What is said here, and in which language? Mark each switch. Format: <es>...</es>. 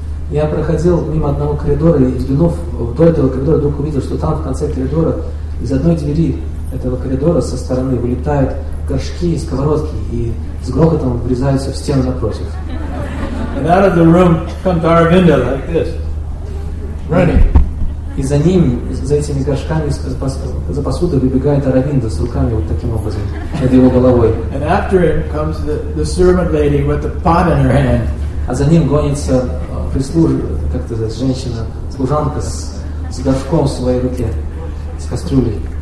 <ru>Я проходил мимо одного коридора и, взглянув вдоль этого коридора, вдруг увидел, что там в конце коридора из одной двери этого коридора со стороны вылетают горшки и сковородки и с грохотом врезаются в стену напротив.</ru> <en>And out of the room comes Aravinda like this, running.</en> <ru>И за ним, за этими горшками, за посудой выбегает Аравинда с руками вот таким образом, над его головой.</ru> <en>And after him comes the servant lady with the pot in her hand.</en> <ru>А за ним гонится прислужник, как это называется, женщина, служанка с горшком в своей руке, с кастрюлей.</ru>